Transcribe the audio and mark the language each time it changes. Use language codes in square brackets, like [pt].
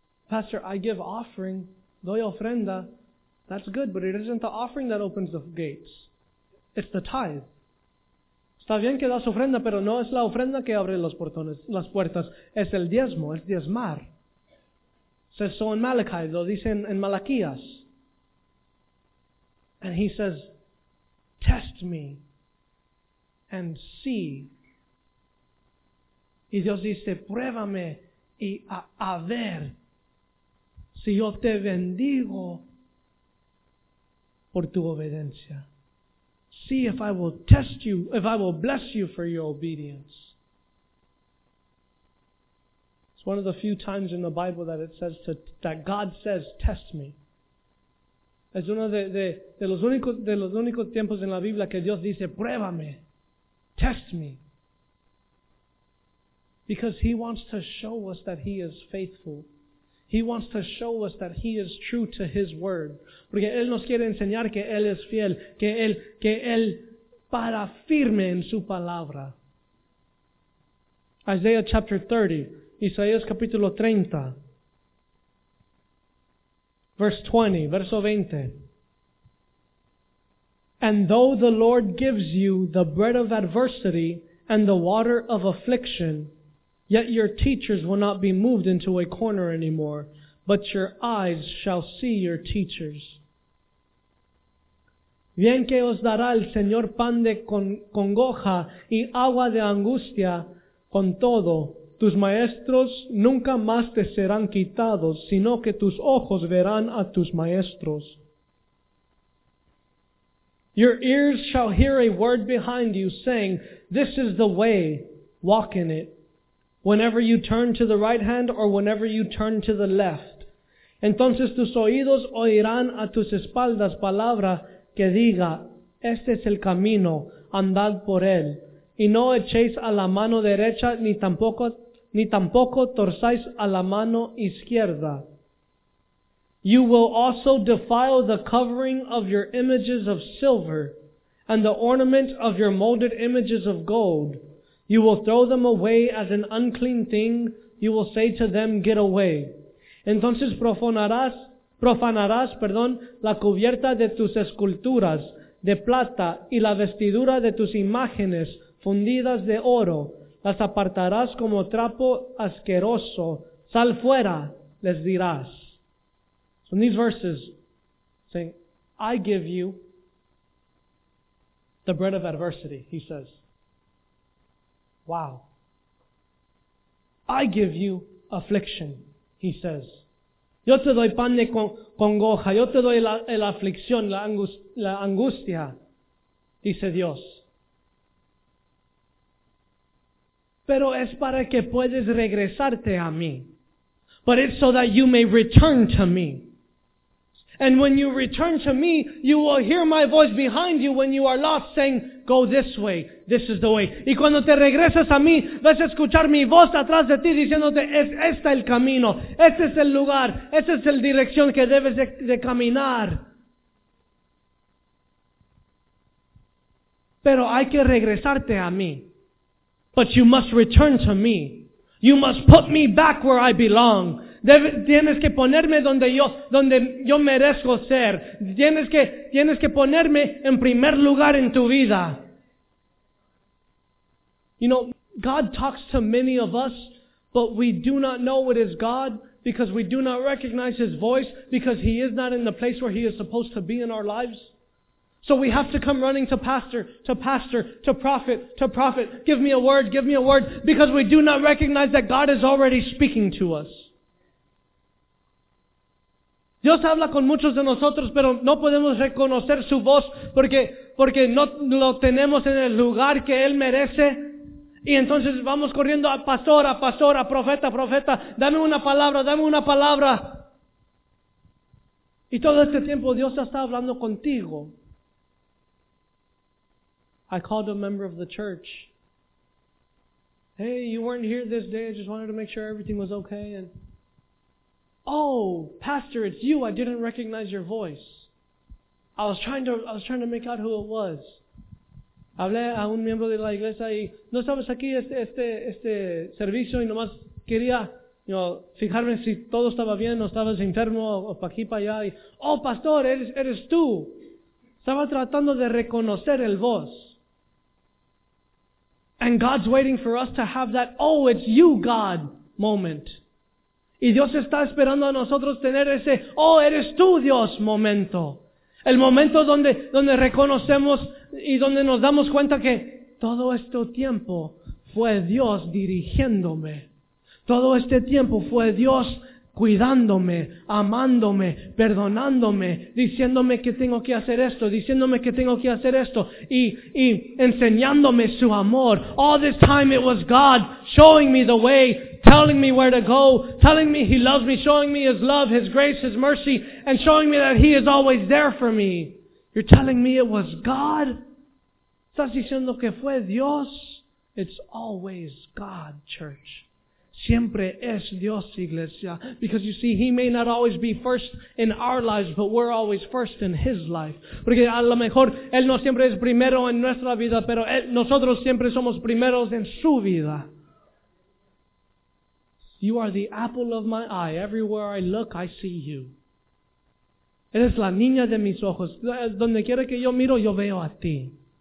[en] Pastor, I give offering. [es] Doy ofrenda, [en] that's good, but it isn't the offering that opens the gates. It's the tithe. [es] Está bien que das ofrenda, pero no es la ofrenda que abre los portones, las puertas. Es el diezmo, es diezmar. Se hizo en Malachi, lo dicen en Malaquías. [en] And he says, test me and see. [es] Y Dios dice, pruébame y a ver si yo te bendigo por tu obediencia. [en] See if I will test you, if I will bless you for your obedience. One of the few times in the Bible that it says to, that God says, test me. [es] Es uno de los únicos tiempos en la Biblia que Dios dice, pruébame, [en] test me. Because He wants to show us that He is faithful. He wants to show us that He is true to His word. [es] Porque Él nos quiere enseñar que Él es fiel, que Él para firme en su palabra. [en] Isaiah chapter 30. [es] Isaías capítulo 30, verso 20. [en] And though the Lord gives you the bread of adversity and the water of affliction, yet your teachers will not be moved into a corner anymore, but your eyes shall see your teachers. [es] Bien que os dará el Señor pan de congoja y agua de angustia, con todo, tus maestros nunca más te serán quitados, sino que tus ojos verán a tus maestros. [en] Your ears shall hear a word behind you saying, this is the way, walk in it, whenever you turn to the right hand or whenever you turn to the left. [es] Entonces tus oídos oirán a tus espaldas palabra que diga, este es el camino, andad por él. Y no echéis a la mano derecha ni tampoco torzáis a la mano izquierda. [en] You will also defile the covering of your images of silver and the ornament of your molded images of gold. You will throw them away as an unclean thing. You will say to them, get away. [es] Entonces profanarás, la cubierta de tus esculturas de plata y la vestidura de tus imágenes fundidas de oro. Las apartarás como trapo asqueroso. Sal fuera, les dirás. [en] So in these verses, saying, I give you the bread of adversity, he says. Wow. I give you affliction, he says. [es] Yo te doy pan de congoja. Yo te doy la aflicción, la angustia, dice Dios. Pero es para que puedes regresarte a mí. [en] But it's so that you may return to me. And when you return to me, you will hear my voice behind you when you are lost saying, go this way, this is the way. [es] Y cuando te regresas a mí, vas a escuchar mi voz atrás de ti diciéndote, es este el camino, este es el lugar, esta es la dirección que debes de caminar. Pero hay que regresarte a mí. [en] But you must return to me. You must put me back where I belong. [es] Tienes que ponerme donde yo merezco ser. Tienes que ponerme en primer lugar en tu vida. [en] You know, God talks to many of us, but we do not know it is God because we do not recognize His voice because He is not in the place where He is supposed to be in our lives. So we have to come running to pastor, to prophet, give me a word, because we do not recognize that God is already speaking to us. [es] Dios habla con muchos de nosotros, pero no podemos reconocer su voz porque no lo tenemos en el lugar que Él merece. Y entonces vamos corriendo a pastor, a profeta, dame una palabra. Y todo este tiempo Dios está hablando contigo. [en] I called a member of the church. Hey, you weren't here this day. I just wanted to make sure everything was okay. And oh, pastor, it's you. I didn't recognize your voice. I was trying to make out who it was. [es] Hablé a un miembro de la iglesia y no estabas aquí este servicio y nomás quería, [en] you know, [es] fijarme si todo estaba bien o estabas enfermo o pa aquí pa allá. Y, oh, pastor, eres tú. Estaba tratando de reconocer el voz. [en] And God's waiting for us to have that, oh, it's you, God, moment. [es] Y Dios está esperando a nosotros tener ese, oh, eres tú, Dios, momento. El momento donde reconocemos y donde nos damos cuenta que todo este tiempo fue Dios dirigiéndome. Todo este tiempo fue Dios cuidándome, amándome, perdonándome, diciéndome que tengo que hacer esto, diciéndome que tengo que hacer esto, y enseñándome su amor. [en] All this time it was God showing me the way, telling me where to go, telling me He loves me, showing me His love, His grace, His mercy, and showing me that He is always there for me. You're telling me it was God? [es] ¿Estás diciendo que fue Dios? [en] It's always God, church. [es] Siempre es Dios, iglesia. [en] Because you see, He may not always be first in our lives, but we're always first in His life. [es] Porque a lo mejor Él no siempre es primero en nuestra vida, pero nosotros siempre somos primeros en su vida. [en] You are the apple of my eye. Everywhere I look, I see you. [es] Eres la niña de mis ojos. Donde quiera que yo miro, yo veo a ti.